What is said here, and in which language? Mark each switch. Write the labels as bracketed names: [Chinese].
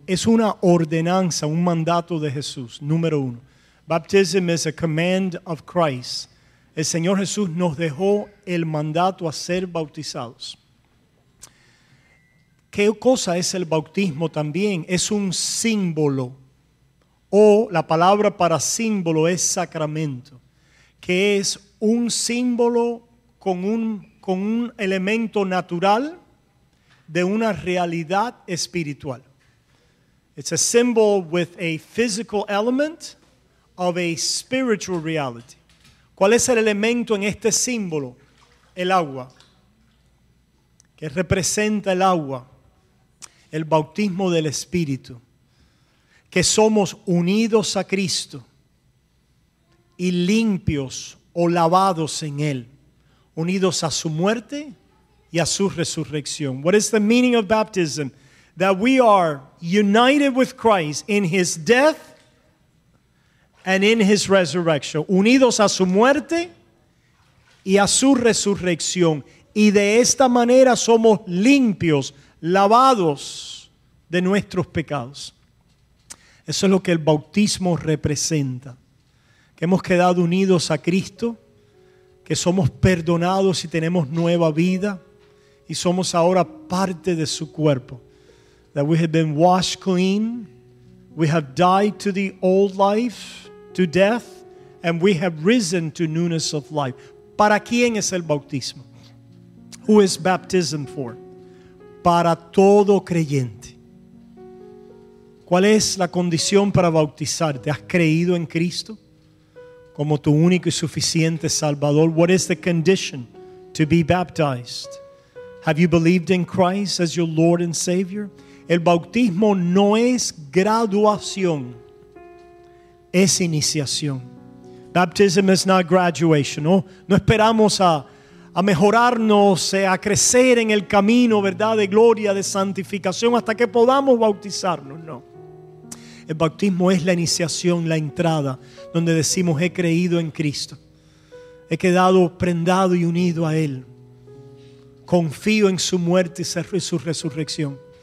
[Spanish] Es una ordenanza, un mandato de Jesús. Número uno. [English] Baptism is a command of Christ. [Spanish] El Señor Jesús nos dejó el mandato a ser bautizados. ¿Qué cosa es el bautismo también? Es un símbolo. O la palabra para símbolo es sacramento. Que es un símbolo con un elemento natural de una realidad espiritual. [English] It's a symbol with a physical element of a spiritual reality. [Spanish] ¿Cuál es el elemento en este símbolo? El agua. ¿Qué representa el agua? El bautismo del Espíritu. Que somos unidos a Cristo y limpios o lavados en Él. Unidos a su muerte y a su resurrección. [English] What is the meaning of baptism? That we are united with Christ in his death and in his resurrection. [Spanish] Unidos a su muerte y a su resurrección. Y de esta manera somos limpios, lavados de nuestros pecados. Eso es lo que el bautismo representa. Que hemos quedado unidos a Cristo, que somos perdonados y tenemos nueva vida y somos ahora parte de su cuerpo. [English] That we have been washed clean We have died to the old life, to death, and we have risen to newness of life. [Spanish] ¿Para quién es el bautismo? [English] Who is baptism for? [Spanish] Para todo creyente. ¿Cuál es la condición para bautizarte? ¿Has creído en Cristo como tu único y suficiente Salvador? [English] What is the condition to be baptized? Have you believed in Christ as your Lord and Savior? [Spanish] El bautismo no es graduación, es iniciación. [English] Baptism is not graduation. [Spanish] Oh, no esperamos a mejorarnos, a crecer en el camino, ¿verdad?, de gloria, de santificación, hasta que podamos bautizarnos. No. El bautismo es la iniciación, la entrada, donde decimos: he creído en Cristo. He quedado prendado y unido a Él. Confío en su muerte y su resurrección.